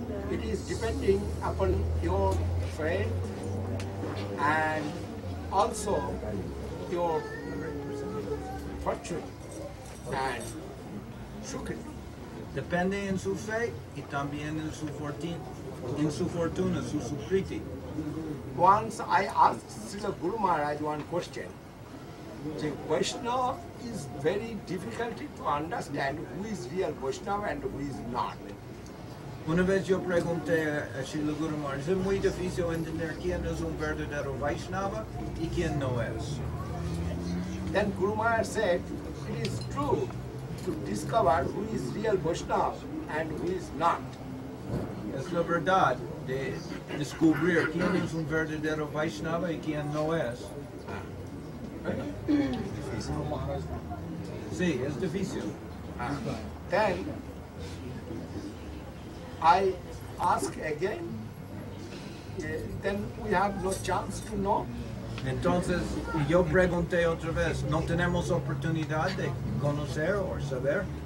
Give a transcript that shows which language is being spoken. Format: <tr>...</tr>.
<en>It is depending upon your faith and also your fortune and shukri.</en> <es>Depende en su fe y también en su fortuna. In su fortuna, su supriti.</es> <en>Once I asked Srila Guru Maharaj one question. The Vaishnava is very difficult to understand who is real Vaishnava and who is not.</en> <es>Una vez yo pregunté a Srila Guru Maharaj, es muy difícil entender quién es un verdadero Vaishnava y quién no es.</es> <en>Then Guru Maharaj said, it is true to discover who is real Vaishnava and who is not.</en> <es>Es la verdad de descubrir quién es un verdadero Vaishnava y quién no es. Sí, es difícil.</es> <en>Then, I ask again, then we have no chance to know.</en> <es>Entonces, yo pregunté otra vez, ¿no tenemos oportunidad de conocer o saber?</es>